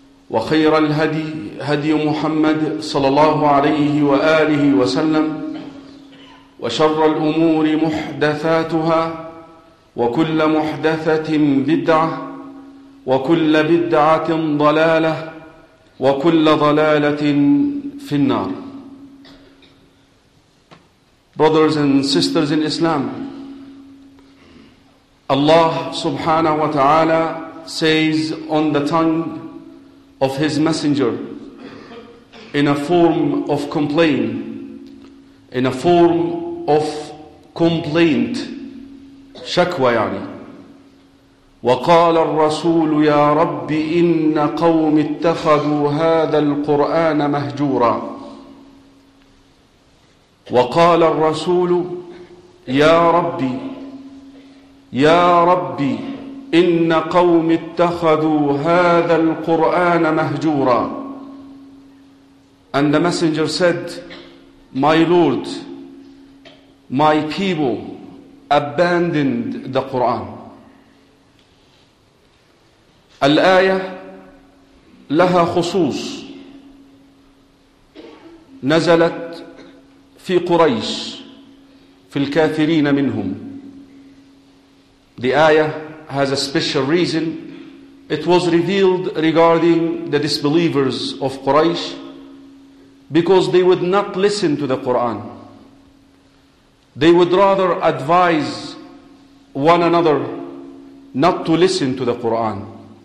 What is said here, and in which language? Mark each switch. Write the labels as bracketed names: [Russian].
[Arabic] وخير الهدي هدي محمد صلى الله عليه وآله وسلم وشر الأمور محدثاتها وكل محدثة بدعة وكل بدعة ضلالة وكل ضلالة في النار. [English] Brothers and sisters in Islam, Allah subhanahu wa ta'ala says on the tongue of His Messenger in a form of complaint, in a form of complaint, shakwa yani. [Arabic] وقال الرسول يا رب إن قوم اتخذوا هذا القرآن مهجورا وقال الرسول يا ربي يا ربي إن قوم اتخذوا هذا القرآن مهجورا [English] And the messenger said, My Lord, my people abandoned the Quran. [Arabic] الآية لها خصوص نزلت في قريش في الكافرين منهم. [English] The ayah has a special reason. It was revealed regarding the disbelievers of Quraysh because they would not listen to the Quran. They would rather advise one another not to listen to the Quran.